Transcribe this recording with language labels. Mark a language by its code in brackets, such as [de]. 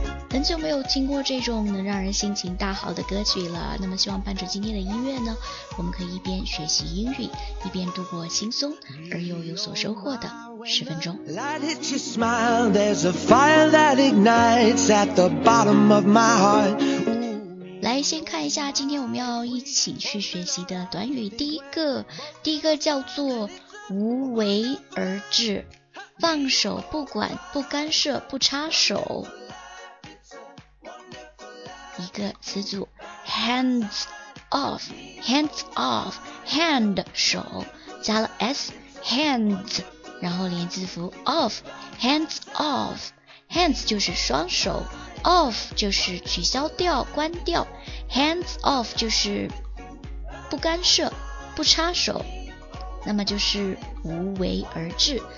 [zh] 很久没有听过这种能让人心情大好的歌曲了，那么希望伴着今天的音乐呢，我们可以一边学习英语，一边度过轻松而又有所收获的十分钟。 [en] Light hits your smile, there's a fire that ignites at the bottom of my heart. [zh] 来先看一下今天我们要一起去学习的短语。第一个叫做无为而治，放手不管，不干涉，不插手。一个词组 hands off, hands off, hand 手加了 s, hands,然后连字符 off, hands off, hands 就是双手， off 就是取消掉关掉， hands off 就是不干涉不插手，那么就是无为而治。